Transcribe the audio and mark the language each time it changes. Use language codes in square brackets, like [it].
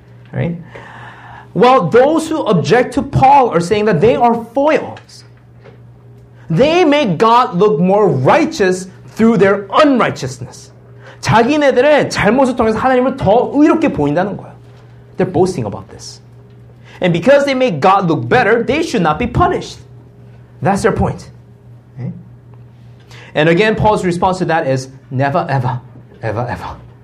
[en] Right? Well, those who object to Paul are saying that they are foils. They make God look more righteous through their unrighteousness. [ko] 자기네들의 잘못을 통해서 하나님을 더 의롭게 보인다는 거야. [en] They're boasting about this. And because they make God look better, they should not be punished. That's their point. And again, Paul's response to that is, never, ever, ever, ever.